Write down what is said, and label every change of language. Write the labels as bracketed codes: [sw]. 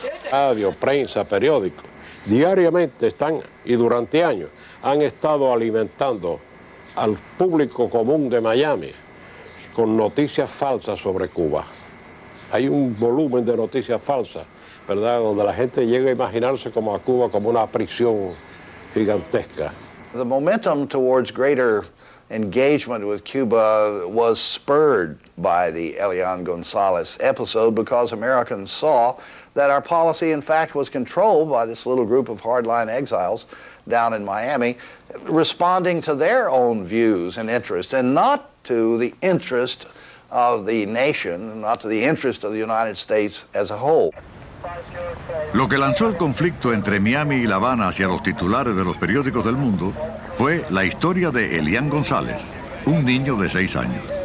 [es] Radio, prensa, periódico, diariamente están y durante años han estado alimentando al público común de Miami con noticias falsas sobre Cuba. Hay un volumen de noticias falsas, ¿verdad?, donde la gente llega a imaginarse como a Cuba como una prisión gigantesca. [en] The momentum towards greater engagement with Cuba was spurred by the Elian Gonzalez episode because Americans saw that our policy, in fact, was controlled by this little group of hardline exiles down in Miami, responding to their own views and interests and not to the interest of the nation, not to the interest of the United States as a whole. [es] Lo que lanzó el conflicto entre Miami y La Habana hacia los titulares de los periódicos del mundo fue la historia de Elian González, un niño de 6 años.